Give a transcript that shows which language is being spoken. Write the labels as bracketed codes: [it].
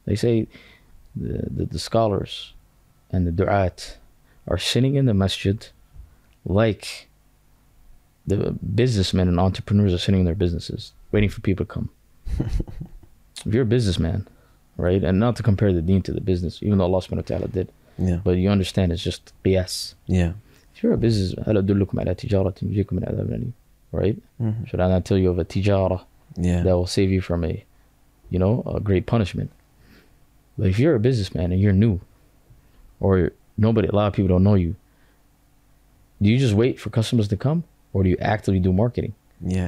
[en] They say the scholars and the du'at are sitting in the masjid like the businessmen and entrepreneurs are sitting in their businesses, waiting for people to come. If you're a businessman, right, and not to compare the deen to the business, even though Allah subhanahu wa ta'ala did, yeah. but you understand it's just qiyas. Yeah. If you're a business, [ar] أَلَدُلُّكُمْ عَلَىٰ تِجَارَةٍ يُجِيكُمْ مِنْ عَذَابٍ أَلِيمٍ, [en] right? Mm-hmm. Should I not tell you of a tijara yeah. that will save you from a, you know, a great punishment? But if you're a businessman and you're new, or nobody, a lot of people don't know you, do you just wait for customers to come? Or do you actively do marketing? Yeah.